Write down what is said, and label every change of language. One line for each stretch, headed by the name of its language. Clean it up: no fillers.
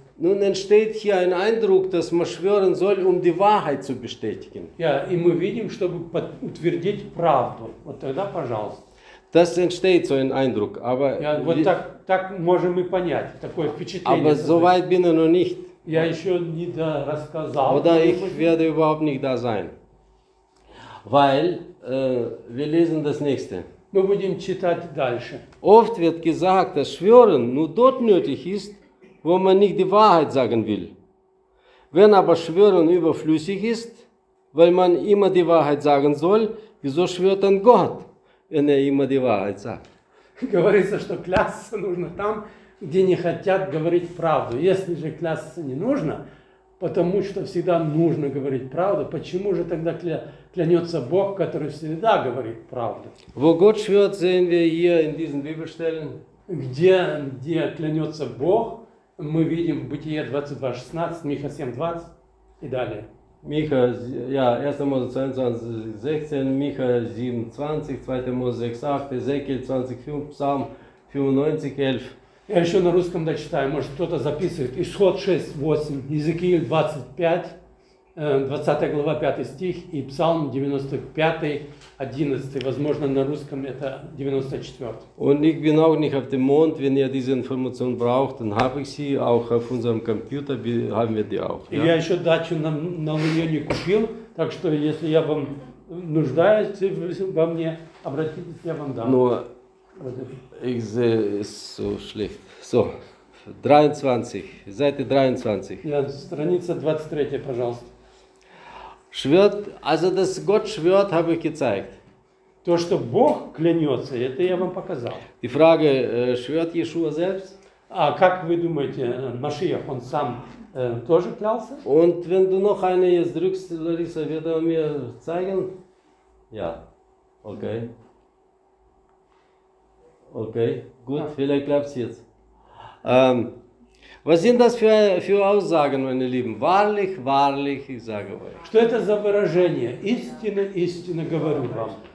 German: Nun entsteht hier ein Eindruck, dass man schwören soll, um die Wahrheit zu bestätigen.
Russian: Ja, и мы видим, чтобы утвердить правду. Вот тогда, пожалуйста.
German: Das entsteht so ein Eindruck, aber...
Russian: Ja, вот так можем мы понять, такое впечатление.
German: Aber so weit bin ich noch nicht.
Russian: Я еще не дорассказал.
German: Oder ich werde überhaupt nicht da sein. Weil, wir lesen das nächste.
Russian: Мы будем читать дальше.
German: Oft wird gesagt, dass Schwören nur dort nötig ist, wo man nicht die Wahrheit sagen will. Wenn aber Schwören überflüssig ist, weil man immer die Wahrheit sagen soll, wieso schwört dann Gott, wenn er immer die Wahrheit sagt?
Russian: Говорится, что клясться нужно там, где не хотят говорить правду. Если же клясться не нужно, потому что всегда нужно говорить правду, почему же тогда клянется Бог, который всегда говорит правду?
German: Wo Gott schwört, sehen wir hier in diesen Bibelstellen.
Russian: Где клянется Бог, мы видим Бытие 22:16, Миха 7:20 и далее.
German: Миха, ja, 1. Mose 22:16, Миха 7:20, 2. Mose 6:8, Эзекиил 20:5, Псалм 95:11.
Russian: Я еще на русском дочитаю, может кто-то записывает. Исход 6:8, Иезекииль 25, 20 глава, 5 стих, и Псалм 95, 11, возможно, на русском это 94.
German: Und ich bin auch nicht auf dem Mond, wenn ihr diese Information braucht, dann habe ich sie auch auf unserem Computer, haben wir die auch.
Russian: Ja? Я еще дачу на Луне не купил, так что если я вам нуждаюсь, во мне обратитесь, я вам дам.
German: Но ich sehe es so schlecht. So. 23, Seite 23.
Russian: Ja, страница 23, пожалуйста.
German: Schwört, also dass Gott schwört, habe ich gezeigt.
Russian: То, что Бог клянется, это я вам показал.
German: Die Frage, schwört Yeshua selbst?
Russian: А как вы думаете, Машиах, он сам тоже клялся?
German: Und wenn du noch eine jetzt drückst, Larissa, wird er mir zeigen? Ja, okay. Okay, gut, vielleicht klappt es jetzt. Was sind das für Aussagen, meine Lieben? Wahrlich, wahrlich, ich sage euch.
Russian: Что это за выражение? Истинно, истинно говорю вам.